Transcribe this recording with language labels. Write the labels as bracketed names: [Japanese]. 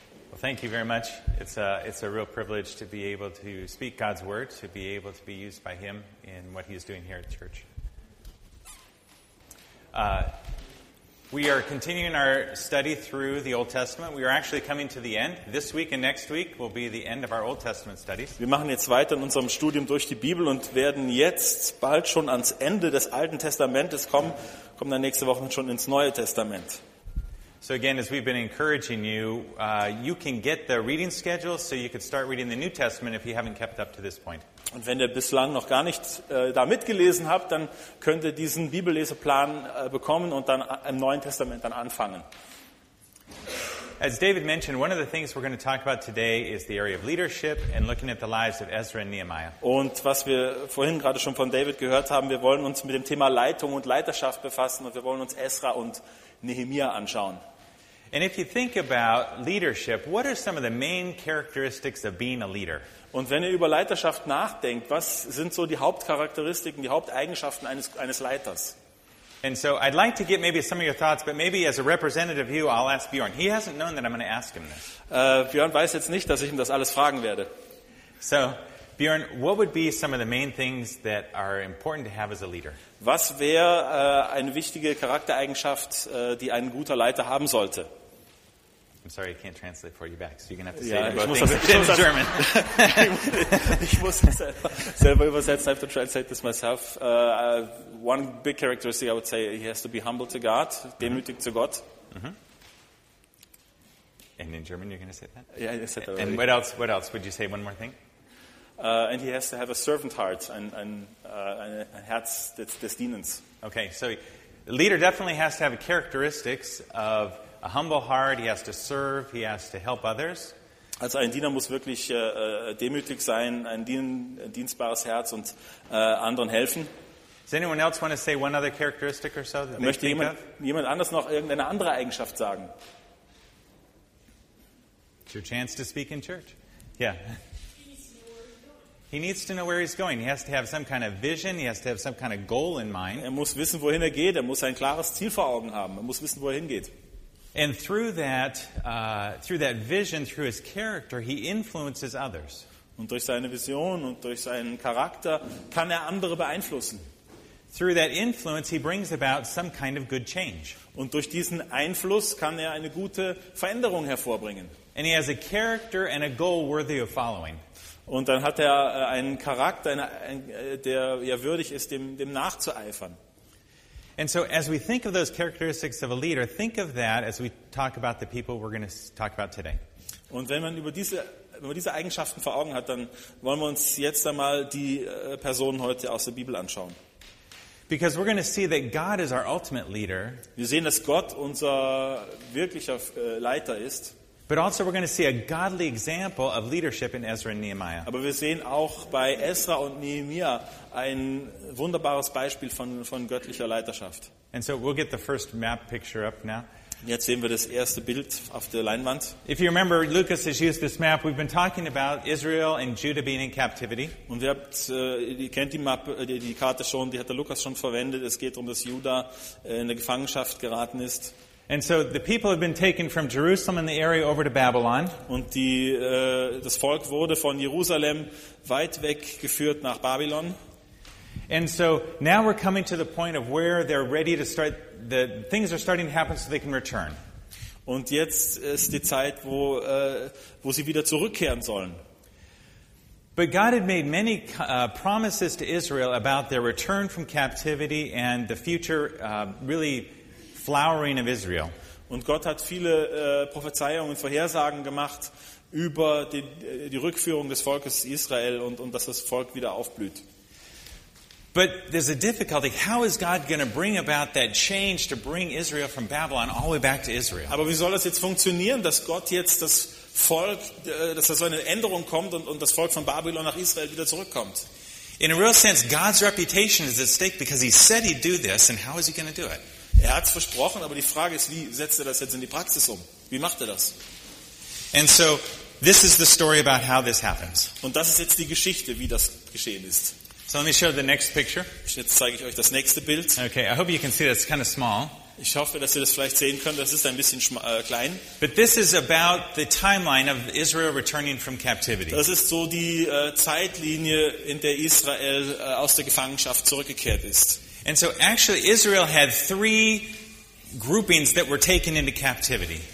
[English] Well, thank you very much. It's a real privilege to be able to speak God's Word, to be able to be used by Him in what He is doing here at church. We are continuing our study through the Old Testament. We are actually coming to the end. This week and next week will be the end of our Old Testament studies. [German] Wir machen jetzt weiter in unserem Studium durch die Bibel und werden jetzt bald schon ans Ende des Alten Testamentes kommen. Kommen dann nächste Woche schon ins Neue Testament. [English] So again, as we've been encouraging you, you can get the reading schedule so you could start reading the New Testament if you haven't kept up to this point. [German] Und wenn ihr bislang noch gar nicht da mitgelesen habt, dann könnt ihr diesen Bibelleseplan bekommen und dann im Neuen Testament dann anfangen. [English] As David mentioned, one of the things we're going to talk about today is the area of leadership and looking at the lives of Ezra and Nehemiah. [German] Und was wir vorhin gerade schon von David gehört haben, wir wollen uns mit dem Thema Leitung und Leiterschaft befassen und wir wollen uns Ezra und Nehemiah anschauen. [English] And if you think about leadership, what are some of the main characteristics of being a leader? [German] Und wenn ihr über Leiterschaft nachdenkt, was sind so die Hauptcharakteristiken, die Haupteigenschaften eines Leiters? [English] And so I'd like to get maybe some of your thoughts, but maybe as a representative of you, I'll ask Bjorn. He hasn't known that I'm going to ask him this. [German] Bjorn weiß jetzt nicht, dass ich ihm das alles fragen werde. [English] So, Bjorn, what would be some of the main things that are important to have as a leader? [German] Was wäre eine wichtige Charaktereigenschaft, die ein guter Leiter haben sollte? [English] I'm sorry, I can't translate for you back, so you're going to have to say it in German. [German] Ich muss das selber übersetzen. [English] I have to translate this myself. One big characteristic, I would say, he has to be humble to God, [German] demütig zu Gott. [English] And in German, you're going to say that? Yeah, I said that already. And what else? Would you say one more thing? And he has to have a servant heart and a [German] Herz des Dienens. [English] Okay, so the leader definitely has to have characteristics of a humble heart. He has to serve. He has to help others. [German] Also ein Diener muss wirklich demütig sein, ein dienstbares Herz und anderen helfen. [English] Does anyone else want to say one other characteristic or so that they think of? [German] Möchte jemand anders noch irgendeine andere Eigenschaft sagen? [English] It's your chance to speak in church. Yeah. He needs to know where he's going. He has to have some kind of vision. He has to have some kind of goal in mind. [German] Er muss wissen, wohin er geht. Er muss ein klares Ziel vor Augen haben. Er muss wissen, wo er hingeht. [English] And through that vision, through his character, he influences others. [German] Und durch seine Vision und durch seinen Charakter kann er andere beeinflussen. [English] Through that influence, he brings about some kind of good change. [German] Und durch diesen Einfluss kann er eine gute Veränderung hervorbringen. [English] And he has a character and a goal worthy of following. [German] Und dann hat er einen Charakter, der ja würdig ist, dem nachzueifern. [English] And so as we think of those characteristics of a leader, think of that as we talk about the people we're going to talk about today. [German] Und wenn man diese Eigenschaften vor Augen hat, dann wollen wir uns jetzt einmal die Personen heute aus der Bibel anschauen. [English] Because we're going to see that God is our ultimate leader. [German] Wir sehen, dass Gott unser wirklicher Leiter ist. [English] But also we're going to see a godly example of leadership in Ezra and Nehemiah. [German] Aber wir sehen auch bei Ezra und Nehemiah ein wunderbares Beispiel von göttlicher Leiterschaft. [English] And so we'll get the first map picture up now. [German] Jetzt sehen wir das erste Bild auf der Leinwand. [English] If you remember, Lucas has used this map. We've been talking about Israel and Judah being in captivity. [German] Und ihr kennt die Karte schon, die hat der Lukas schon verwendet. Es geht darum, dass Juda in der Gefangenschaft geraten ist. [English] And so the people have been taken from Jerusalem and the area over to Babylon. [German] Und das Volk wurde von Jerusalem weit weggeführt nach Babylon. [English] And so now we're coming to the point of where they're ready to start. The things are starting to happen so they can return. [German] Und jetzt ist die Zeit, wo sie wieder zurückkehren sollen. [English] But God had made many promises to Israel about their return from captivity and the future, really. Flowering of Israel. [German] Und Gott hat viele Prophezeiungen und Vorhersagen gemacht über die Rückführung des Volkes Israel und dass das Volk wieder aufblüht. [English] But there's a difficulty. How is God going to bring about that change to bring Israel from Babylon all the way back to Israel? [German] Aber wie soll das jetzt funktionieren, dass Gott jetzt das Volk, dass da so eine Änderung kommt und das Volk von Babylon nach Israel wieder zurückkommt? [English] In a real sense, God's reputation is at stake because he said he'd do this, and how is he going to do it? [German] Er hat's versprochen, aber die Frage ist, wie setzt er das jetzt in die Praxis um? Wie macht er das? [English] And so this is the story about how this happens. [German] Und das ist jetzt die Geschichte, wie das geschehen ist. [English] So let me show the next picture. [German] Jetzt zeige ich euch das nächste Bild. [English] Okay, I hope you can see that. It's kind of small. [German] Ich hoffe, dass ihr das vielleicht sehen könnt. Das ist ein bisschen klein. [English] But this is about the timeline of Israel returning from captivity. [German] Das ist so die Zeitlinie, in der Israel aus der Gefangenschaft zurückgekehrt ist. [English] And so actually Israel had three groupings that were taken into captivity.